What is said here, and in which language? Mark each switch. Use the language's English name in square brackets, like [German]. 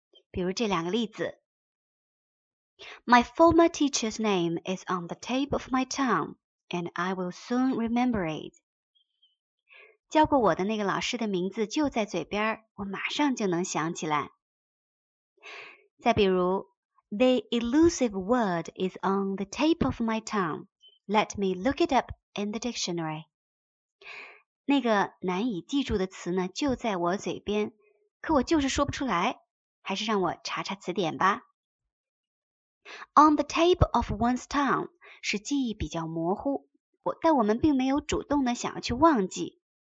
[Chinese] 比如这两个例子， [English] My former teacher's name is on the tip of my tongue and I will soon remember it。 [Chinese] 教过我的那个老师的名字就在嘴边，我马上就能想起来。再比如 [English] The elusive word is on the tip of my tongue. Let me look it up in the dictionary. [Chinese] 那个难以记住的词呢，就在我嘴边，可我就是说不出来，还是让我查查词典吧。 [English] On the tip of one's tongue [Chinese] 是记忆比较模糊，但我们并没有主动的想要去忘记。